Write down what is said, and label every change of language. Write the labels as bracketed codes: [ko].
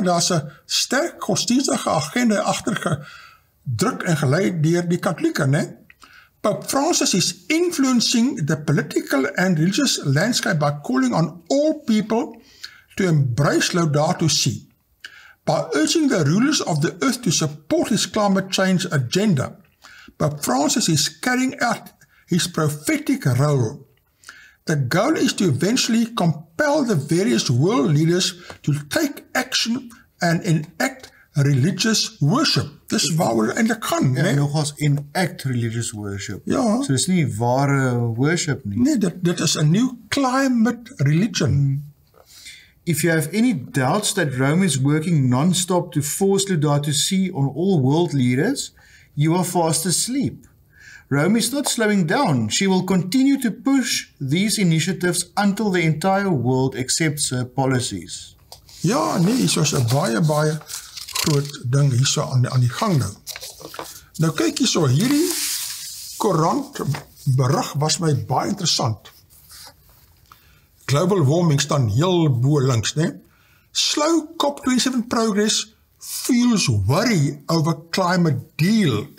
[af] daar's 'n sterk godsdienstige agenda agtergedruk en geleid deur die Katolieke, né? [en] Pope Francis is influencing the political and religious landscape by calling on all people to embrace Laudato Si, by urging the rulers of the earth to support his climate change agenda. Pope Francis is carrying out his prophetic role. The goal is to eventually compel the various world leaders to take action and enact religious worship. [af] Dis waar we in the kan, ja, nee? Nogals [en] enact religious worship. [af] Ja. So dis nie ware worship nie. Nee, dit is [en] a new climate religion. If you have any doubts that Rome is working non-stop to force Laudato Si on all world leaders, you are fast asleep. Rome is not slowing down. She will continue to push these initiatives until the entire world accepts her policies. [af] Ja, nee, hier is 'n baie, baie groot ding hier so aan die gang nou. Nou kyk hier so, hierdie Koerant berig was my baie interessant. [en] Global warming [af] staan heel bo links, nee. [en] Slow COP27 progress feels worry over climate deal.